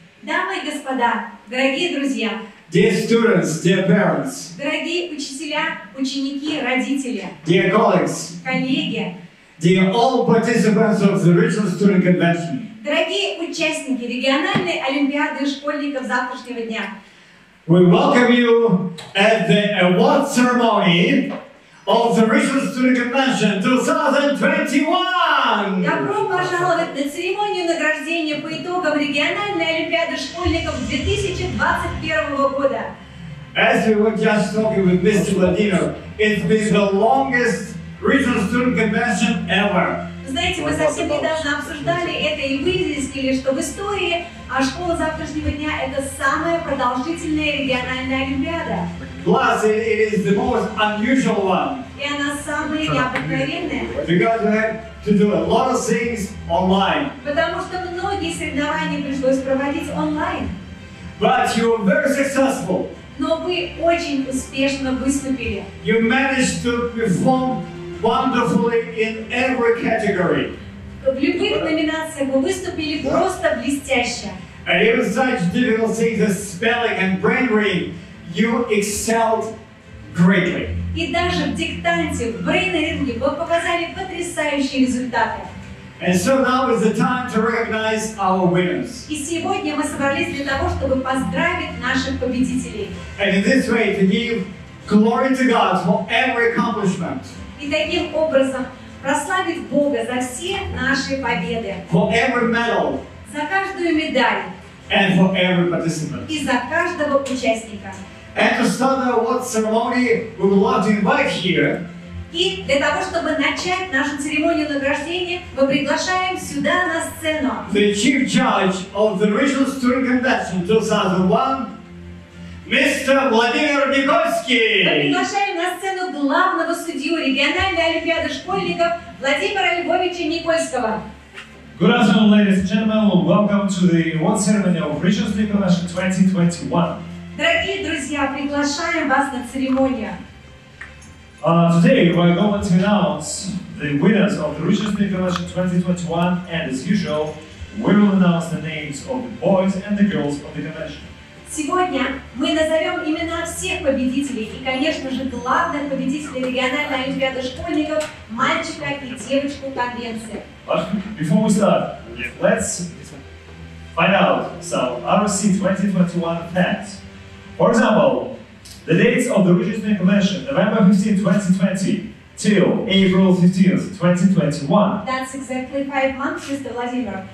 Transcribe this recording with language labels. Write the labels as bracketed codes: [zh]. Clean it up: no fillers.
[ru] дамы и господа, дорогие друзья, [en] dear students, dear parents, [ru] дорогие учителя, ученики, родители, [en] dear colleagues, [ru] коллеги, [en] dear all participants of the regional student convention, [ru] дорогие участники региональной олимпиады школьников завтрашнего дня, [en] we welcome you at the award ceremony of the Regional Student Convention 2021! [ru] Добро пожаловать на церемонию награждения по итогам региональной олимпиады школьников 2021 года! [en] As we were just talking with Mr. Ladino, it's been the longest Regional Student Convention ever! [ru] Знаете, мы совсем недавно обсуждали это и выяснили, что в истории школа завтрашнего дня – это самая продолжительная региональная олимпиада. [en] Plus, it is the most unusual one. [ru] И она самая необыкновенная. [en] Because we had to do a lot of things online. [ru] Потому что многие соревнования пришлось проводить онлайн. [en] But you were very successful. [ru] Но вы очень успешно выступили. [en] You managed to perform wonderfully in every category. [ru] В любых номинациях вы выступили просто блестяще. [en] And even such difficult things as spelling and brain reading, you excelled greatly. [ru] И даже в диктанте, в брейн-ринге, вы показали потрясающие результаты. [en] And so now is the time to recognize our winners. [ru] И сегодня мы собрались для того, чтобы поздравить наших победителей. [en] And in this way, to give glory to God for every accomplishment. [ru] И таким образом прославить Бога за все наши победы. [en] For every medal. [ru] За каждую медаль. [en] And for every participant. [ru] И за каждого участника. [en] And to start the award ceremony, we would love to invite here. [ru] И для того, чтобы начать нашу церемонию награждения, мы приглашаем сюда на сцену. [en] The chief judge of the Regional Student Convention 2001, Mr. Владимир Никольский. [ru] Мы приглашаем на сцену главного судью региональной олимпиады школьников Владимира Львовича Никольского. [en] Good afternoon, ladies and gentlemen. Welcome to the award ceremony of Regional Student Convention 2021. [ru] Дорогие друзья, приглашаем вас на церемонию. [en] Today we are going to announce the winners of the Regional Student Convention 2021, and as usual, we will announce the names of the boys and the girls of the convention. [ru] Сегодня мы назовем имена всех победителей и, конечно же, главных победителей региональной олимпиады школьников, мальчика и девочку конвенции. [en] But before we start, let's find out some RSC 2021 facts. For example, the dates of the Regional Student Convention, November 15, 2020, till April 15, 2021. That's exactly 5 months, Mr. Vladimir.